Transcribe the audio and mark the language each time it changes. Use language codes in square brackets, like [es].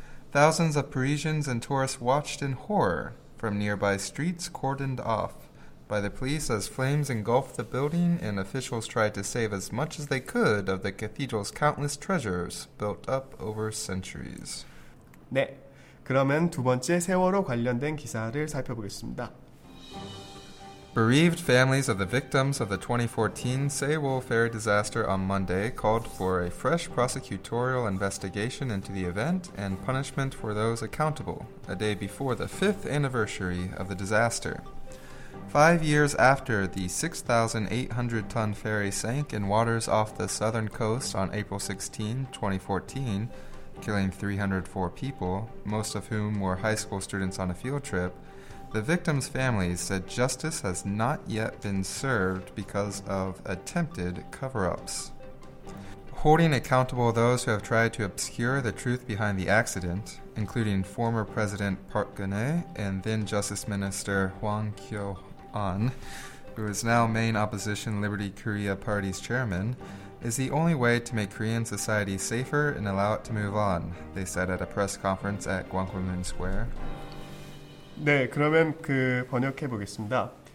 [en] Thousands of Parisians and tourists watched in horror from nearby streets cordoned off by the police as flames engulfed the building and officials tried to save as much as they could of the cathedral's countless treasures built up over centuries. [ko] 네, 그러면 두 번째 세월호 관련된 기사를 살펴보겠습니다. [en] Bereaved families of the victims of the 2014 Sewol ferry disaster on Monday called for a fresh prosecutorial investigation into the event and punishment for those accountable, a day before the fifth anniversary of the disaster. 5 years after the 6,800-ton ferry sank in waters off the southern coast on April 16, 2014, killing 304 people, most of whom were high school students on a field trip, the victims' families said justice has not yet been served because of attempted cover-ups. Holding accountable those who have tried to obscure the truth behind the accident, including former President Park Geun-hye and then Justice Minister Hwang Kyo-an, who is now main opposition Liberty Korea Party's chairman, is the only way to make Korean society safer and allow it to move on, they said at a press conference at Gwangwamun Square. [ko] 네, 그러면 그 번역해 보겠습니다.